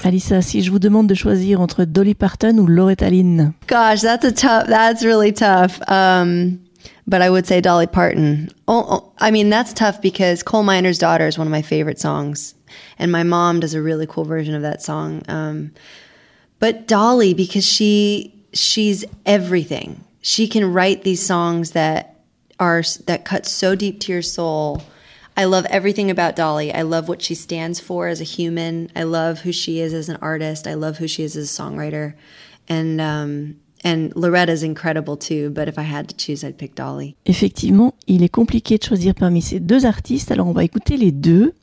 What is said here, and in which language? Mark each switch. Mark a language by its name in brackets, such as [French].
[French] Alissa, si je vous demande de choisir entre Dolly Parton ou Loretta Lynn. [English] Gosh, that's really tough. But I would say Dolly Parton. I mean, that's tough because Coal Miner's Daughter is one of my favorite songs. And my mom does a really cool version of that song. But Dolly, because she's everything. She can write these songs that cut so deep to your soul. I love everything about Dolly. I love what she stands for as a human. I love who she is as an artist. I love who she is as a songwriter. And Loretta's incredible too, but if I had to choose, I'd pick Dolly. [French] Effectivement, il est compliqué de choisir parmi ces deux artistes, alors on va écouter les deux.